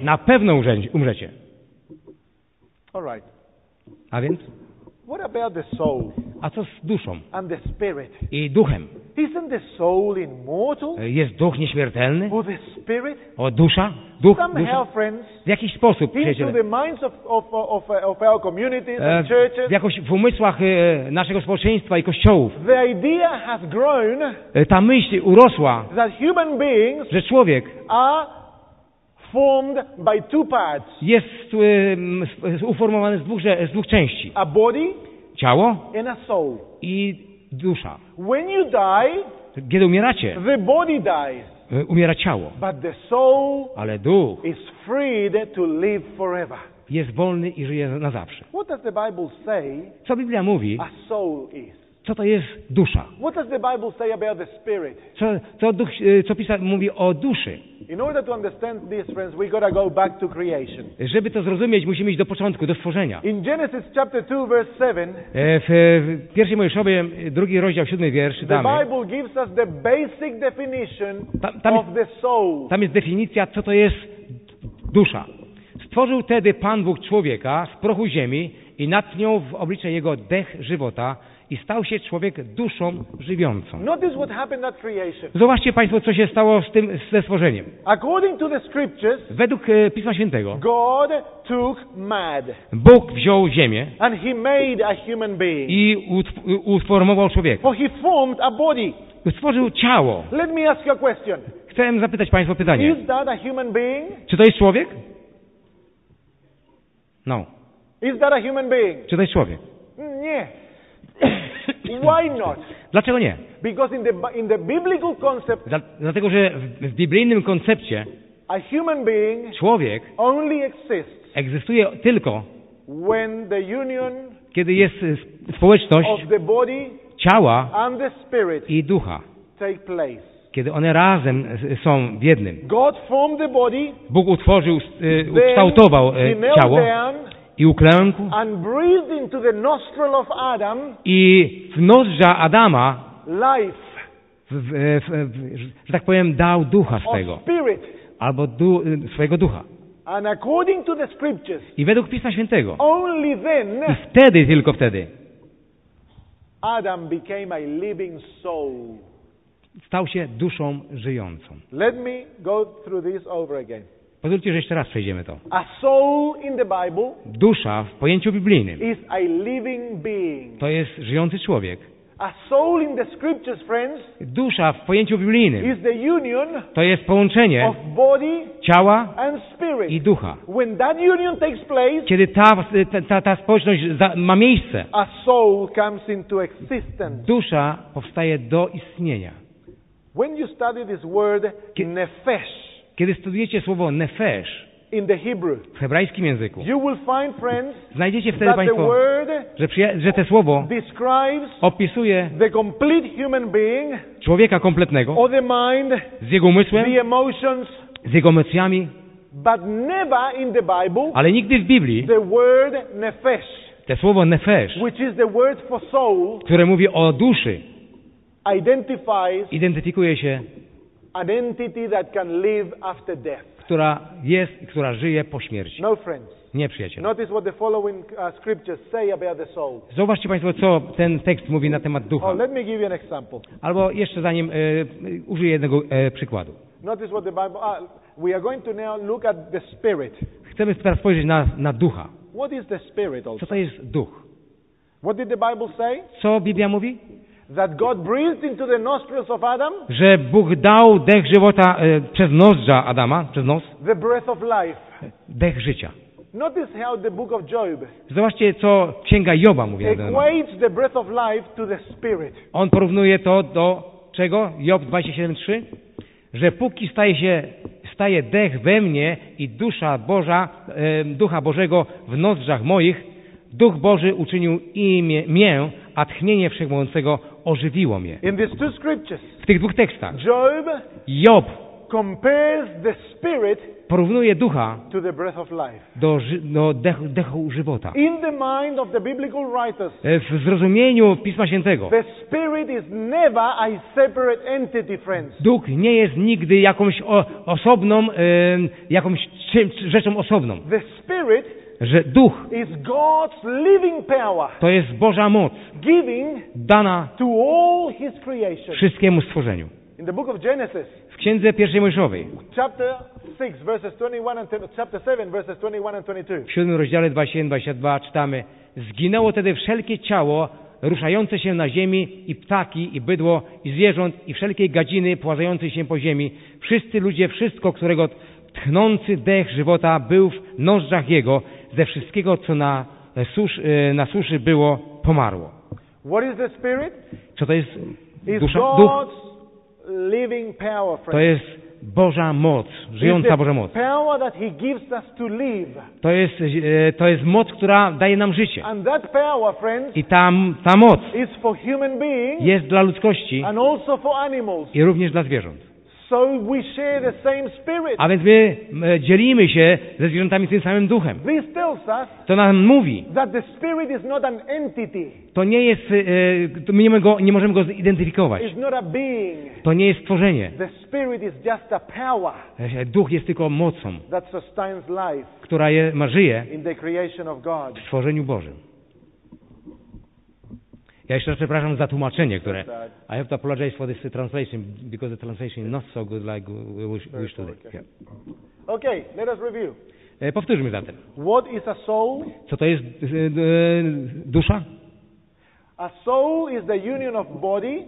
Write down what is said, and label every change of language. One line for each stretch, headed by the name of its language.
Polish: Na pewno umrzecie.
English: All right.
Polish: A więc?
English: What about the soul?
Polish: A co z duszą?
English: And the spirit?
Polish: I duchem.
English: Isn't the soul immortal?
Polish: Jest duch nieśmiertelny?
English: Or the spirit?
Polish: O dusza? Duch,
English: somehow,
Polish: dusza?
English: Friends,
Polish: w jakiś sposób, przyjaciele.
English: Into the minds of our communities and churches.
Polish: Jakoś w umysłach naszego społeczeństwa i kościołów.
English: The idea has grown.
Polish: Ta myśl urosła.
English: That human beings.
Polish: Że człowiek.
English: Formed by two parts.
Polish: Jest uformowany z dwóch części.
English: A body.
Polish: Ciało.
English: And a soul.
Polish: I dusza.
English: When you die.
Polish: Kiedy umieracie.
English: The body dies.
Polish: Umiera ciało.
English: But the soul.
Polish: Ale duch.
English: Is freed to live forever.
Polish: Jest wolny i żyje na zawsze.
English: What does the Bible say?
Polish: Co Biblia mówi?
English: A soul is.
Polish: Co to jest dusza?
English: What does the Bible say about the spirit?
Polish: Co pisarz mówi o duszy?
English: In order to understand this, friends, we gotta go back to creation.
Polish: Żeby to zrozumieć, musimy iść do początku, do stworzenia.
English: In Genesis chapter 2, verse 7.
Polish: W pierwszej Mojżeszowej, drugi rozdział, siódmy wiersz.
English: The Bible gives us the basic definition of the soul.
Polish: Tam jest definicja, co to jest dusza. Stworzył tedy Pan Bóg człowieka z prochu ziemi i natchnął w oblicze jego dech żywota. I stał się człowiek duszą żywiącą.
English: Notice what happened at creation.
Polish: Zobaczcie Państwo, co się stało ze stworzeniem.
English: According to the scriptures,
Polish: według Pisma Świętego,
English: God took mad.
Polish: Bóg wziął ziemię
English: and he made a human being.
Polish: I uformował człowieka.
English: For he formed a body.
Polish: Stworzył ciało.
English: Let me ask you a question.
Polish: Chcę zapytać Państwa pytanie.
English: Is that a human being?
Polish: Czy to jest człowiek?
English: No. Is that a human being?
Polish: Czy to jest człowiek? Nie.
English: Why not?
Polish: Dlaczego nie?
English: Because in the biblical concept.
Polish: Dlatego że w biblijnym koncepcie.
English: A human being.
Polish: Człowiek.
English: Only exists.
Polish: Egzystuje tylko.
English: When the union.
Polish: Kiedy jest społeczność.
English: Of the body.
Polish: Ciała.
English: And the spirit.
Polish: I ducha.
English: Take place.
Polish: Kiedy one razem są w jednym.
English: God formed the body.
Polish: Bóg utworzył, ukształtował ciało.
English: Down,
Polish: i uklękł
English: and breathed into the nostril of Adam,
Polish: i w nozdrza Adama
English: life,
Polish: że tak powiem, dał ducha swego
English: spirit,
Polish: albo swojego ducha.
English: And according to the scriptures,
Polish: i według Pisma Świętego
English: only then,
Polish: i wtedy, tylko wtedy
English: Adam became a living soul.
Polish: Stał się duszą żyjącą.
English: Let me go through this over again.
Polish: Pozwólcie, że jeszcze raz przejdziemy to.
English: A soul in the Bible,
Polish: dusza w pojęciu biblijnym,
English: is a living being.
Polish: To jest żyjący człowiek.
English: A soul in the scriptures, friends,
Polish: dusza w pojęciu biblijnym,
English: is the union,
Polish: to jest połączenie
English: of body,
Polish: ciała
English: and spirit.
Polish: I ducha.
English: When that union takes place,
Polish: kiedy ta społeczność ma miejsce,
English: a soul comes into existence.
Polish: Dusza powstaje do istnienia.
English: When you study this word, nefesh.
Polish: Kiedy studiujecie słowo nefesh
English: in the Hebrew,
Polish: w hebrajskim języku,
English: you will find, friends,
Polish: znajdziecie wtedy Państwo, że to słowo opisuje
English: the complete human being,
Polish: człowieka kompletnego,
English: or the mind,
Polish: z jego umysłem,
English: the emotions,
Polish: z jego emocjami,
English: but never in the Bible,
Polish: ale nigdy w Biblii
English: the word nefesh,
Polish: to słowo nefesh,
English: which is the word for soul,
Polish: które mówi o duszy,
English: identifies,
Polish: identyfikuje się
English: an entity that can live after death.
Polish: Która jest i która żyje po śmierci.
English: No, friends.
Polish: Nie, przyjaciele.
English: Notice what the following scriptures say about the soul.
Polish: Zobaczcie Państwo, co ten tekst mówi na temat ducha.
English: Oh, let me give you an example.
Polish: Albo jeszcze zanim użyję jednego przykładu.
English: Notice what the Bible. We are going to now look at the spirit.
Polish: Chcemy teraz spojrzeć na ducha.
English: What is the spirit also?
Polish: Co to jest duch?
English: What did the Bible say?
Polish: Co Biblia mówi?
English: that God breathed into the nostrils of Adam,
Polish: że Bóg dał dech żywota przez nozdrza Adama, przez nos,
English: the breath of life,
Polish: dech życia.
English: Notice how the book of Job,
Polish: zobaczcie, co Księga Joba mówi.
English: Equates the breath of life to the spirit.
Polish: On porównuje to do czego? Job 27:3, że póki staje się staje dech we mnie i dusza Boża, ducha Bożego w nozdrzach moich, Duch Boży uczynił imię mię, a tchnienie Wszechmogącego ożywiło mnie.
English: In these two scriptures,
Polish: w tych dwóch tekstach
English: Job,
Polish: Job
English: compares the spirit
Polish: porównuje ducha
English: to the breath of life.
Polish: Do dechu żywota.
English: In the mind of the biblical writers,
Polish: w zrozumieniu Pisma Świętego
English: the spirit is never a separate entity, friends.
Polish: Duch nie jest nigdy jakąś osobną, jakąś rzeczą osobną.
English: The spirit,
Polish: że duch
English: is God's living power,
Polish: to jest Boża moc
English: giving
Polish: dana
English: to all his creation.
Polish: Wszystkiemu stworzeniu.
English: In the book of Genesis,
Polish: w Księdze Pierwszej Mojżeszowej,
English: chapter 6, verses 21 and 22, chapter 7, verses 21 and 22,
Polish: w 7 rozdziale 21-22 czytamy: zginęło tedy wszelkie ciało ruszające się na ziemi, i ptaki, i bydło, i zwierząt, i wszelkiej gadziny pławające się po ziemi. Wszyscy ludzie, wszystko, którego tchnący dech żywota był w nozdrzach jego, ze wszystkiego, co na suszy było, pomarło.
English: What is the spirit?
Polish: Co to jest dusza? Duch?
English: Living power, friends.
Polish: To jest Boża moc, żyjąca Boża moc.
English: Power that he gives us to live.
Polish: To jest moc, która daje nam życie.
English: And that power, friends,
Polish: i ta moc
English: is for human being,
Polish: jest dla ludzkości
English: and also for animals.
Polish: I również dla zwierząt.
English: So we share the same spirit.
Polish: A więc my dzielimy się ze zwierzętami tym samym duchem.
English: This tells us,
Polish: to nam mówi,
English: that the spirit is not an entity.
Polish: To nie jest, my nie możemy go zidentyfikować.
English: It's not a being.
Polish: To nie jest stworzenie.
English: The spirit is just a power,
Polish: duch jest tylko mocą,
English: that sustains life,
Polish: która je, ma żyje
English: in the creation of God.
Polish: W stworzeniu Bożym. Ja jeszcze przepraszam za tłumaczenie, które...
English: I have to apologize for this translation, because the translation is not so good like we wish today. Okay. Okay, let us review.
Polish: Powtórzmy zatem.
English: What is a soul?
Polish: Co to jest dusza?
English: A soul is the union of body,